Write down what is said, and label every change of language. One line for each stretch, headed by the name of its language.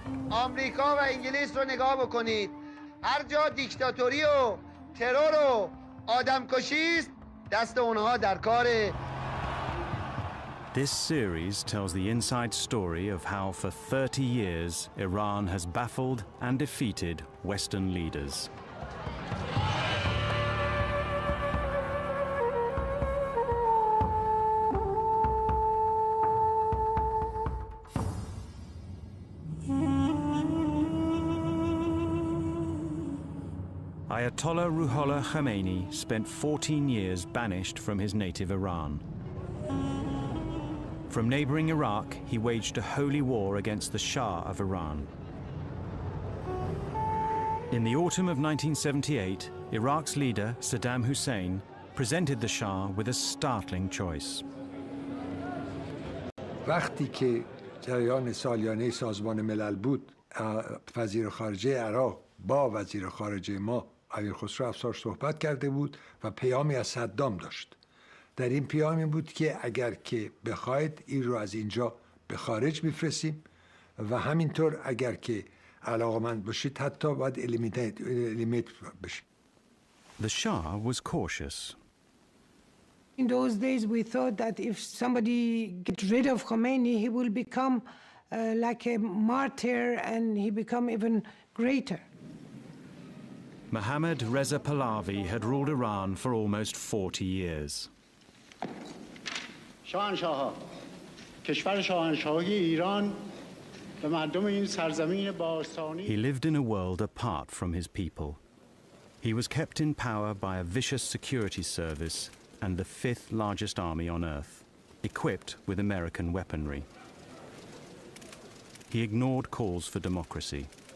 Persian: آمریکا و انگلیس رو نگاه بکنید. هر جا دیکتاتوری و ترور و آدمکشی است، دست اونها در کاره.
English: This series tells the inside story of how for 30 years Iran has baffled and defeated Western leaders. Ayatollah Ruhollah Khomeini spent 14 years banished from his native Iran. From neighboring Iraq, he waged a holy war against the Shah of Iran. In the autumn of 1978, Iraq's leader, Saddam Hussein, presented the Shah with a startling choice.
Persian: وقتی که جریان سالیانه سازمان ملل بود، وزیر خارجه عراق با وزیر خارجه ما امیر خسرو افسار صحبت کرده بود و پیامی از صدام داشت. در این پیام این بود که اگر که بخواید این رو از اینجا به خارج میفرستیم و همینطور اگر که علاقمند باشید حتی باید الیمیت بشید.
English: The Shah was cautious. In those days we thought that if somebody get rid of Khomeini he will become like a martyr and he become even greater. Mohammad Reza Pahlavi had ruled Iran for almost 40 years.
Persian: شاهنشاه کشور شاهنشاهی ایران به مردم این سرزمین باستانی.
English: He lived in a world apart from his people. He was kept in power by a vicious security service and the fifth largest army on earth, equipped with American weaponry. He ignored calls for democracy.